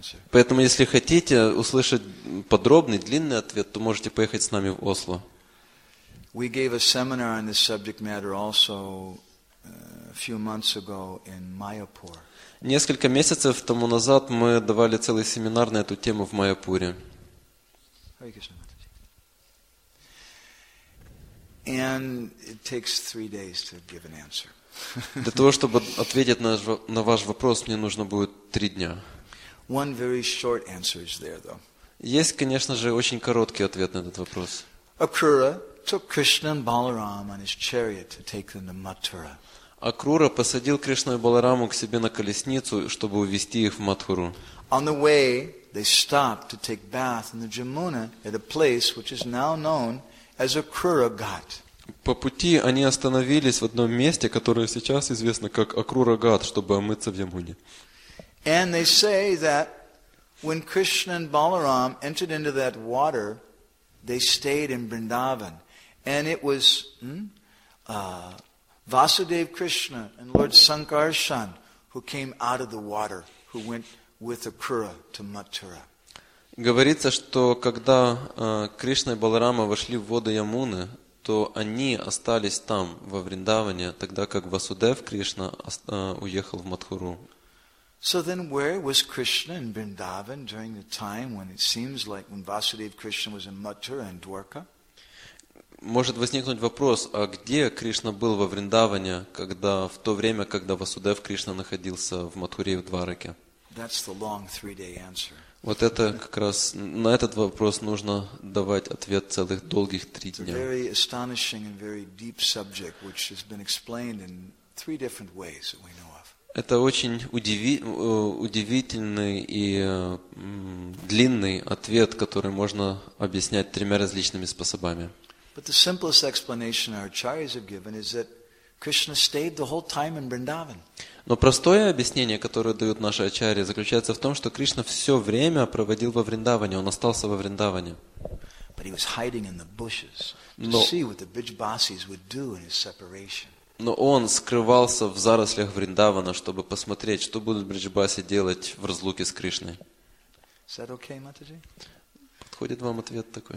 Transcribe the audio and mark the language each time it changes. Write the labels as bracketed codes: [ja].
[ru] Поэтому, если хотите услышать подробный, длинный ответ, то можете поехать с нами в Осло. [en] We gave a seminar on this subject matter also a few months ago in Mayapur. [ru] Несколько месяцев тому назад мы давали целый семинар на эту тему в Майяпуре. [en] And it takes 3 days to give an answer. [ru] Для того, чтобы ответить на ваш вопрос, мне нужно будет 3 дня. [en] One very short answer is there, though. [ru] Есть, конечно же, очень короткий ответ на этот вопрос. [en] Акрура took Krishna and Balaram on his chariot to take them to Mathura. [ru] Акрура посадил Кришну и Балараму к себе на колесницу, чтобы увезти их в Матхуру. [en] On the way, they stopped to take bath in the Jamuna at a place which is now known as Akrura Ghat. [ru] По пути они остановились в одном месте, которое сейчас известно как Акрура Ghat, чтобы омыться в Ямуне. [en] And they say that when Krishna and Balaram entered into that water, they stayed in Vrindavan. And it was Vasudev Krishna and Lord Sankarshan who came out of the water, who went with Akrura to Mathura. [ru] Говорится, что когда Кришна и Баларама вошли в воды Ямуны, то они остались там, во Вриндаване, тогда как Васудев Кришна уехал в Матхуру. [en] So then where was Krishna in Vrindavan during the time when it seems like when Vasudev Krishna was in Mathura and Dwarka? [ru] Может возникнуть вопрос, а где Кришна был во Вриндаване, когда в то время, когда Васудев Кришна находился в Матхуре и в Двараке? [en] That's the long three-day answer. [ru] Вот это как раз, на этот вопрос нужно давать ответ целых долгих три дня. [en] It's a very astonishing and very deep subject, which has been explained in three different ways that we know. [ru] Это очень удивительный и длинный ответ, который можно объяснять тремя различными способами. [en] But the simplest explanation our acharyas have given is that Krishna stayed the whole time in Vrindavan. [ru] Но простое объяснение, которое дают наши ачарьи, заключается в том, что Кришна все время проводил во Вриндаване, он остался во Вриндаване. [en] But he was hiding in the bushes to see what the Brijbasis would do in his separation. [ru] Но он скрывался в зарослях Вриндавана, чтобы посмотреть, что будут Бриджбаси делать в разлуке с Кришной. [en] Is that okay, Mataji? [ru] Подходит вам ответ такой?